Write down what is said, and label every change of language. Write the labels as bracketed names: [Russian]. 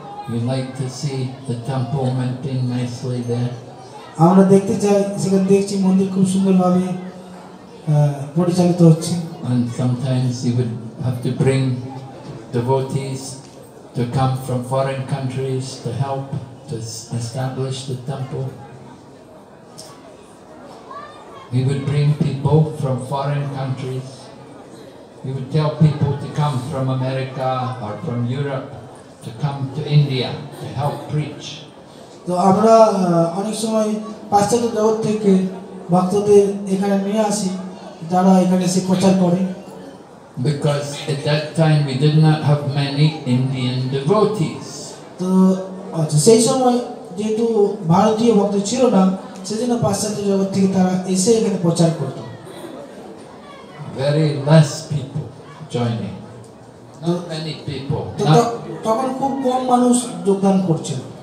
[English] We like to see the temple maintained nicely there. [Bangla] আমরা দেখতে চাই, সেখানে দেখছি মন্দির খুব সুন্দরভাবে পরিচালিত হচ্ছে. [English] And sometimes you would have to bring devotees to come from foreign countries to help to establish the temple. We would bring people from foreign countries. We would tell people to come from America or from Europe. To come to India to help preach. [Bangla] তো আমরা অনেক সময় পাশ্চাত্য জগৎ থেকে ভক্তদের এখানে নিয়ে আসি যারা এখানে এসে প্রচার করে [English] Because at that time we did not have many Indian devotees. [Bangla] তো সেই সময় যেহেতু ভারতীয় ভক্ত ছিল না সেজন্য পাশ্চাত্য জগৎ থেকে তারা এসে এখানে প্রচার করত [English] Very less people joining. Not many people. [Bangla] তখন খুব কম মানুষ যোগদান করছিল